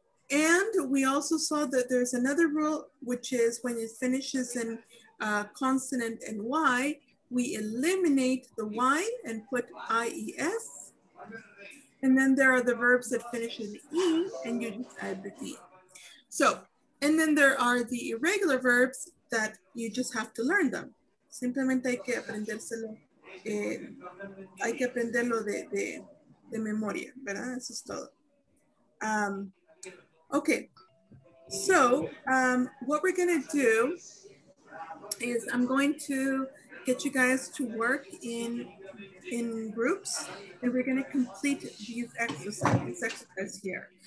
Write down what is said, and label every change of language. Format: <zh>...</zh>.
<en>And we also saw that there's another rule, which is when it finishes in consonant and Y, we eliminate the Y and put IES. And then there are the verbs that finish in E and you just add the D. So, and then there are the irregular verbs that you just have to learn them.</en> <es>Simplemente hay que aprendérselo, hay que aprenderlo de memoria, ¿verdad? Eso es todo.</es> <en>Okay, so what we're gonna do is I'm going to get you guys to work in groups, and we're gonna complete this exercise here.</en>